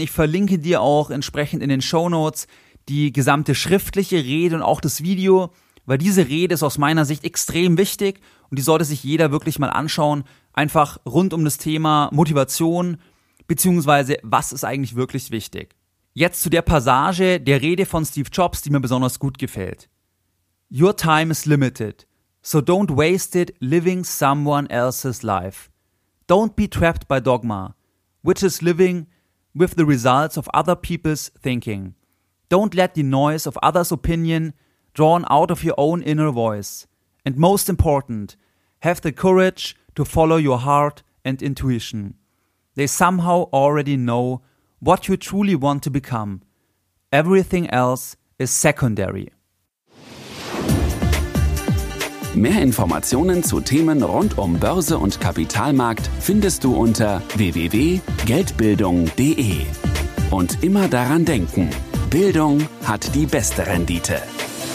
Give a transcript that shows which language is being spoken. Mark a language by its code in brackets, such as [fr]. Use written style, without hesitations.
[de] Ich verlinke dir auch entsprechend in den Shownotes die gesamte schriftliche Rede und auch das Video, weil diese Rede ist aus meiner Sicht extrem wichtig und die sollte sich jeder wirklich mal anschauen, einfach rund um das Thema Motivation beziehungsweise was ist eigentlich wirklich wichtig. Jetzt zu der Passage der Rede von Steve Jobs, die mir besonders gut gefällt. [en] Your time is limited, so don't waste it living someone else's life. Don't be trapped by dogma, which is living with the results of other people's thinking. Don't let the noise of others' opinion drown out of your own inner voice. And most important, have the courage to follow your heart and intuition. They somehow already know what you truly want to become. Everything else is secondary. [de] Mehr Informationen zu Themen rund um Börse und Kapitalmarkt findest du unter www.geldbildung.de. Und immer daran denken, Bildung hat die beste Rendite.